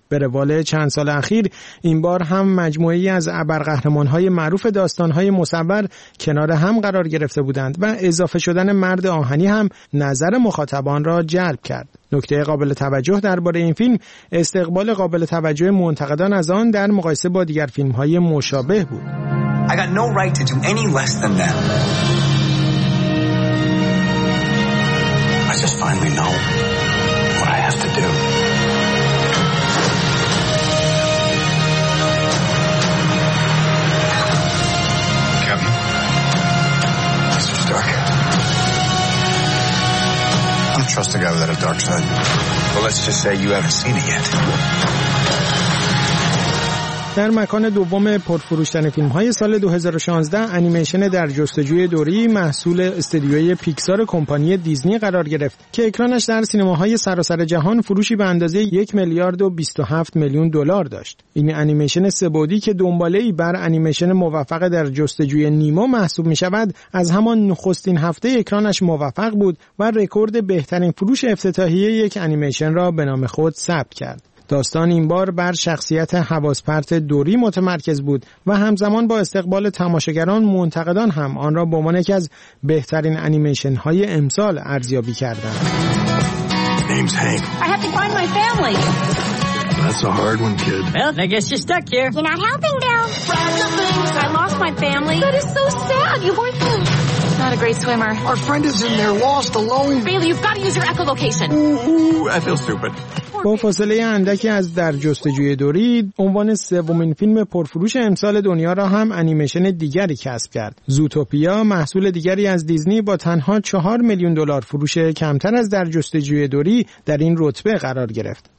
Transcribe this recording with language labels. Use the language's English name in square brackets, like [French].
[Persian] به روال چند سال اخیر این بار هم مجموعه‌ای از ابرقهرمان‌های معروف داستان‌های مصور کنار هم قرار گرفته بودند و اضافه شدن مرد آهنی هم نظر مخاطبان را جلب کرد. نکته قابل توجه درباره این فیلم استقبال قابل توجه منتقدان از آن در مقایسه با دیگر فیلم‌های مشابه بود. [English] I got no right to do any less than them. I just finally know what I have to do. Captain, Mr. Stark. I don't trust a guy without a dark side. Well, let's just say you haven't seen it yet. [Persian] در مکان دوم پرفروش‌ترین فیلم‌های سال 2016 انیمیشن در جستجوی دوری محصول استدیوی پیکسار کمپانی دیزنی قرار گرفت که اکرانش در سینماهای سراسر جهان فروشی به اندازه 1,027,000,000 دلار داشت. این انیمیشن سه‌بعدی که دنباله‌ای بر انیمیشن موفق در جستجوی نیمو محسوب می‌شود، از همان نخستین هفته اکرانش موفق بود و رکورد بهترین فروش افتتاحیه یک انیمیشن را به نام خود ثبت کرد. داستان این بار بر شخصیت حواس‌پرت دوری متمرکز بود و همزمان با استقبال تماشاگران، منتقدان هم آن را به عنوان یکی از بهترین انیمیشن های امسال ارزیابی کردند. [English] Name's Hank. I have to find my family. That's a hard one, kid. Well, I guess you're stuck here. You're not helping, Bill. I lost my family. That is so sad. You weren't there. Not a great swimmer. Our friend is in there lost alone. Bailey, you've got to use your echolocation. Ooh, I feel stupid. [Persian] با فاصله اندکی از در جستجوی دوری، عنوان سومین فیلم پرفروش امسال دنیا را هم انیمیشن دیگری کسب کرد. زوتوپیا، محصول دیگری از دیزنی، با تنها 4,000,000 دلار فروش کمتر از در جستجوی دوری در این رتبه قرار گرفت.